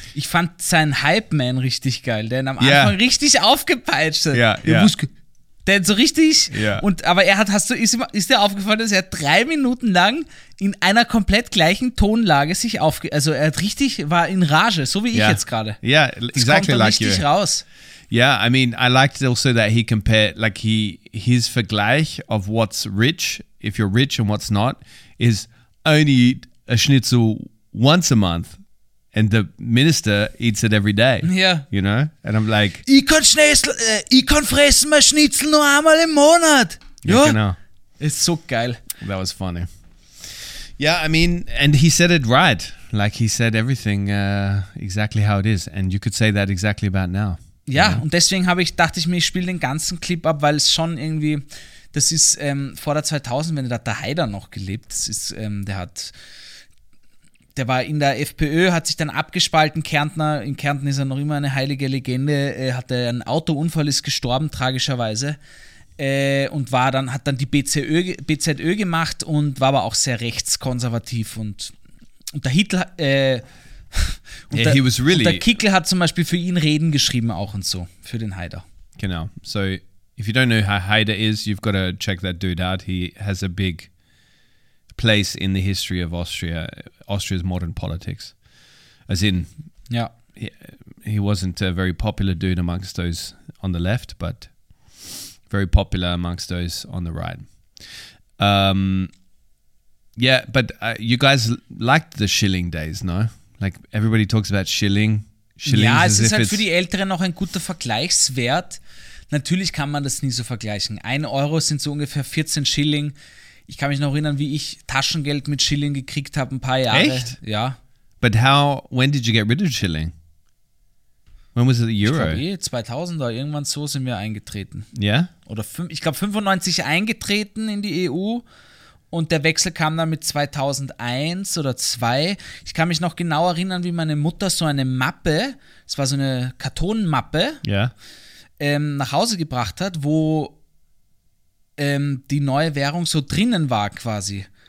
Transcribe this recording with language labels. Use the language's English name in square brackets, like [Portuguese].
[German] Ich fand seinen Hype-Man richtig geil, der ihn am Anfang richtig aufgepeitscht hat. Ja, ja. Der so richtig, [English] yeah. [German] Und aber er hat, hast du, ist dir aufgefallen, dass er 3 Minuten lang in einer komplett gleichen Tonlage sich also er hat richtig, war in Rage, so wie ich jetzt gerade. [English] Ja, yeah, exactly [German] kommt [English] like [German] richtig [English] you. [German] Richtig raus. [English] Ja, yeah, I mean, I liked also that he compared, like he, his Vergleich of what's rich, if you're rich and what's not, is only eat a schnitzel once a month and the minister eats it every day. Yeah. You know? And I'm like, [German] ich kann fressen mein Schnitzel nur einmal im Monat. Yeah, genau. Ist so geil. [English] That was funny. Yeah, I mean, and he said it right. Like he said everything exactly how it is. And you could say that exactly about now. [German] Ja, und deswegen dachte ich mir, ich spiele den ganzen Clip ab, weil es schon irgendwie, das ist vor der 2000, wenn der Haider noch gelebt, das ist, der war in der FPÖ, hat sich dann abgespalten, Kärntner, in Kärnten ist er noch immer eine heilige Legende, hatte einen Autounfall, ist gestorben, tragischerweise, und hat dann die BZÖ gemacht und war aber auch sehr rechtskonservativ und der Hitler, Und der Kickl hat zum Beispiel für ihn Reden geschrieben auch und so, für den Haider. Genau. [English] So, if you don't know who Haider is, you've got to check that dude out. He has a big place in the history of Austria, Austria's modern politics. As in, yeah. he wasn't a very popular dude amongst those on the left, but very popular amongst those on the right. Yeah, but you guys liked the Schilling days, no? Like, everybody talks about Schilling. [German] Ja, es ist halt für die Älteren noch ein guter Vergleichswert. Natürlich kann man das nie so vergleichen. 1 Euro sind so ungefähr 14 Schilling. Ich kann mich noch erinnern, wie ich Taschengeld mit Schilling gekriegt habe, ein paar Jahre. Echt? Ja. [English] But when did you get rid of Schilling? When was it the Euro? [German] Ich glaube 2000er, irgendwann so sind wir eingetreten. Ja? Yeah? Oder ich glaube 95 eingetreten in die EU. Und der Wechsel kam dann mit 2001 oder 2. Ich kann mich noch genau erinnern, wie meine Mutter so eine Mappe, es war so eine Kartonmappe, nach Hause gebracht hat, wo die neue Währung so drinnen war quasi.